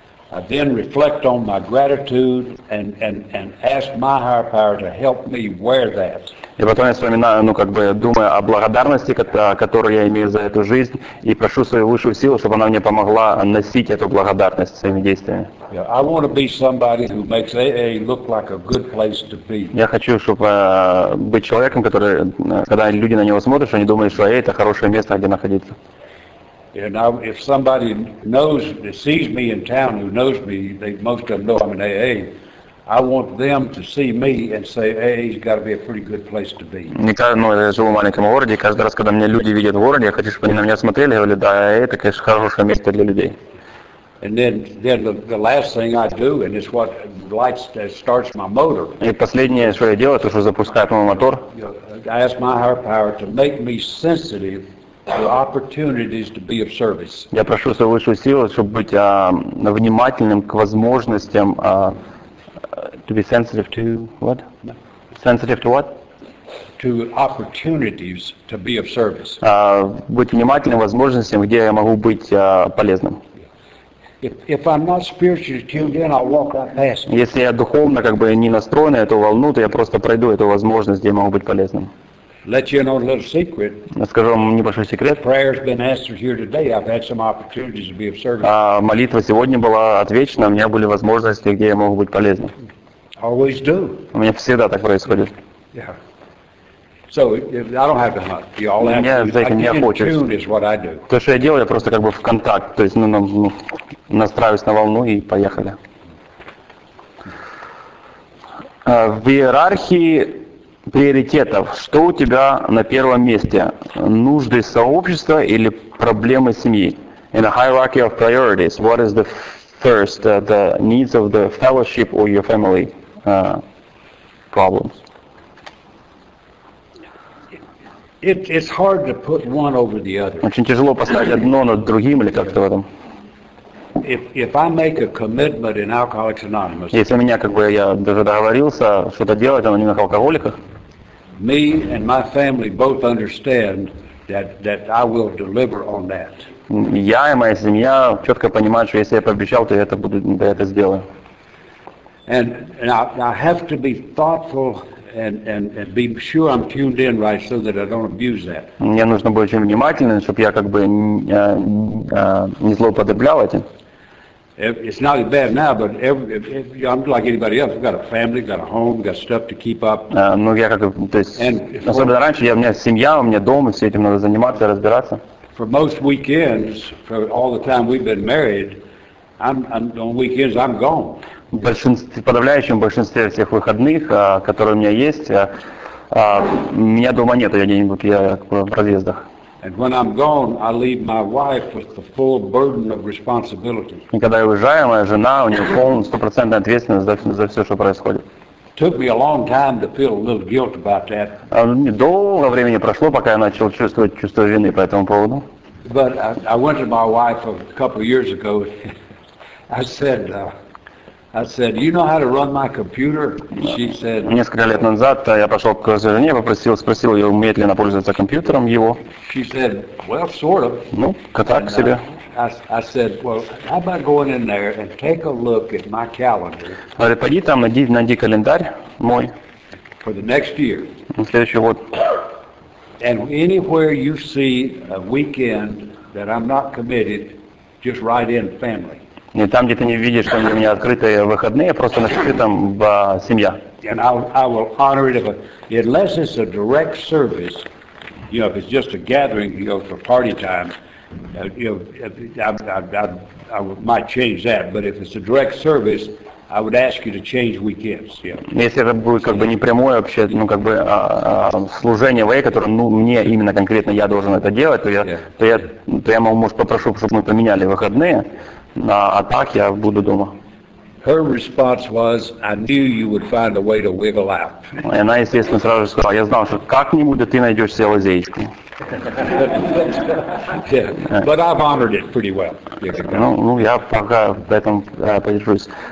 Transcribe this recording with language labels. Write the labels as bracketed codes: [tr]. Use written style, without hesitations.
[en] I then reflect on my gratitude and ask my higher power to help me wear that. [ru] И потом я вспоминаю, думаю о благодарности, которую я имею за эту жизнь, и прошу свою высшую силу, чтобы она мне помогла носить эту благодарность своими действиями. [en] Yeah, I want to be somebody who makes AA look like a good place to be. [ru] Я хочу, чтобы быть человеком, который, когда люди на него смотрят, они думают, что это хорошее место, где находиться. [en] And if somebody knows, sees me in town, who knows me, most of them know I'm an AA. I want them to see me and say, "Hey, he's got to be a pretty good place to be." [ru] Я живу в маленьком городе. Каждый раз, когда меня люди видят в городе, я хочу, чтобы они на меня смотрели и говорили, "Да, это, конечно, хорошее место для людей." [en] And then the last thing I do, and it's what lights that starts my motor. [ru] И последнее, что я делаю, то, что запускает мой мотор. [en] I ask my higher power to make me sensitive to opportunities to be of service. [ru] Я прошу свою высшую силу, чтобы быть внимательным к возможностям. [en] To be sensitive to what? Sensitive to what? To opportunities to be of service. [ru] Быть внимательным возможностям, где я могу быть полезным. [en] If I'm not spiritually tuned in, I'll walk right past it. [ru] Если я духовно не настроен на эту волну, то я просто пройду эту возможность, где я могу быть полезным. [en] Let you know a little secret. [ru] Скажу вам небольшой секрет. [en] Prayer's been answered here today. I've had some opportunities to be of service. [ru] Молитва сегодня была отвечена. У меня были возможности, где я могу быть полезным. [en] Always do. [ru] У меня всегда так происходит. [en] Yeah. So I don't have to hunt. You all have to. [ru] Я не охочусь. [en] Tune is what I do. [ru] То, что я делаю, я просто в контакт. То есть, настраиваюсь на волну и поехали. В иерархии приоритетов. Что у тебя на первом месте? Нужды сообщества или проблемы семьи? [en] In a hierarchy of priorities, what is the first, the needs of the fellowship or your family problems? It's hard to put one over the other. [ru] Очень тяжело поставить одно над другим или как-то в этом. [en] If I make a commitment in Alcoholics Anonymous. [ru] Если меня я даже договорился что-то делать, но не на алкоголиках. [en] Me and my family both understand that I will deliver on that. [ru] Я и моя семья четко понимают, что если я пообещал, то я это сделаю. [en] And I have to be thoughtful and be sure I'm tuned in right so that I don't abuse that. [ru] Мне нужно быть очень внимательным, чтобы я не злоупотреблял этим. [en] It's not bad now, but I'm like anybody else. I've got a family, got a home, got stuff to keep up. [ru] Особенно раньше, у меня семья, у меня дом, и все этим надо заниматься, разбираться. [en] For most weekends, for all the time we've been married, on weekends I'm gone. [ru] В подавляющем большинстве всех выходных, которые у меня есть, меня дома нет, я где-нибудь в разъездах. [en] And when I'm gone, I leave my wife with the full burden of responsibility. [ru] И когда я уезжаю, моя жена, у нее полная, 100% ответственность за все, что происходит. [en] Took me a long time to feel a little guilt about that. [ru] Долго времени прошло, пока я начал чувствовать чувство вины по этому поводу. [en] But I went to my wife a couple of years ago. I said, "You know how to run my computer?" She said. [ru] Несколько лет назад я пошел к своей жене, спросил ее, умеет ли она пользоваться компьютером его. [en] She said, "Well, sort of." [ru] Так себе. [en] I said, "Well, how about going in there and take a look at my calendar?" [ru] Говорит, пойди там, найди календарь мой. [en] For the next year. [ru] На следующий год. [en] And anywhere you see a weekend that I'm not committed, just write in family. [ru] И там, где ты не видишь, что у меня открытые выходные, просто напиши там семья. [en] And I will honor it unless it's a direct service, if it's just a gathering, for party time, I might change that, but if it's a direct service, I would ask you to change weekends. Yeah. [ru] Если это будет как бы не прямое вообще, ну как бы служение вы, которое ну мне именно конкретно я должен это делать, то я может попрошу, чтобы мы поменяли выходные, а так я буду дома. [en] Her response was, "I knew you would find a way to wiggle out." [ru] Она естественно сразу же сказала, я знал, что как-нибудь ты найдешь себе лазейку. [en] Yeah, but I've honored it pretty well. [ru] Ну, я пока в этом подержусь.